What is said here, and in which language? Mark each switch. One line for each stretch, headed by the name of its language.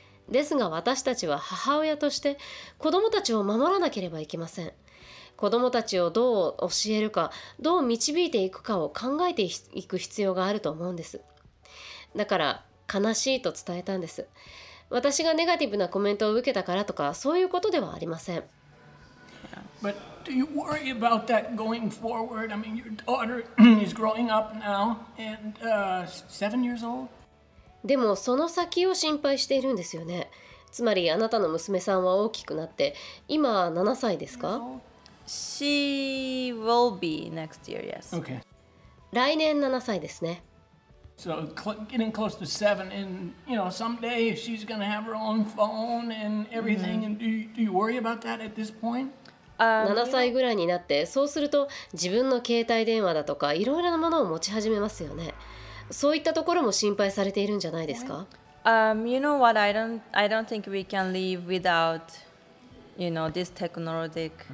Japanese: ですが私たちは母親として子供たちを守らなければいけません。子供たちをどう教えるか、どう導いていくかを考えていく必要があると思うんです。だから悲しいと伝えたんです。私がネガティブなコメントを受けたからとか、そういうことではありません。
English: But do you worry about that going forward? I mean, your daughter is growing up now and 7 years old?
Japanese: でもその先を心配しているんですよね。つまりあなたの娘さんは大きくなって、今7歳ですか？
English: She will be next year, yes. Okay.
Japanese: 来年7歳ですね。
English: So getting close to 7, and you know, someday she's going to have her own phone and everything. And do you worry about that at this point?
Japanese: 7歳ぐらいになって、そうすると自分の携帯電話だとかいろいろなものを持ち始めますよね。そういったところも心配されているんじゃないですか？
English: You know what? I don't think we can live without, you know, this technology.